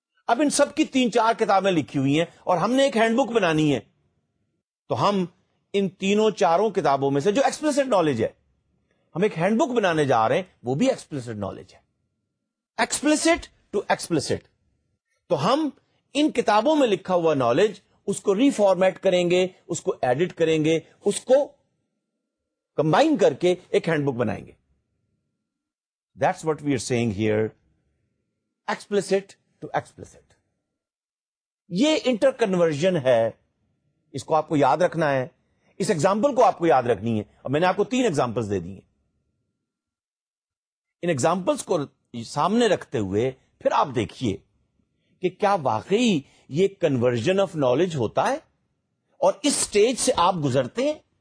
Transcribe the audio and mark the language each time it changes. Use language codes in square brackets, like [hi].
[ur] اب ان سب کی تین چار کتابیں لکھی ہوئی ہیں اور ہم نے ایک ہینڈ بک بنانی ہے, تو ہم ان تینوں چاروں کتابوں میں سے جو ایکسپلسٹ نالج ہے, ہم ایک ہینڈ بک بنانے جا رہے ہیں, وہ بھی ایکسپلسٹ نالج ہے. ایکسپلسٹ ٹو ایکسپلسٹ, تو ہم ان کتابوں میں لکھا ہوا نالج اس کو ری فارمیٹ کریں گے, اس کو ایڈٹ کریں گے, اس کو کمبائن کر کے ایک ہینڈ بک بنائیں گے. [en] That's what we are saying here, explicit to explicit. [ur] یہ انٹر کنورژن ہے, اس کو آپ کو یاد رکھنا ہے, اس ایگزامپل کو آپ کو یاد رکھنی ہے, اور میں نے آپ کو تین ایگزامپلس دے دی ہیں. ان ایگزامپلس کو سامنے رکھتے ہوئے پھر آپ دیکھیے کہ کیا واقعی یہ کنورژن آف نالج ہوتا ہے اور اس اسٹیج سے آپ گزرتے ہیں.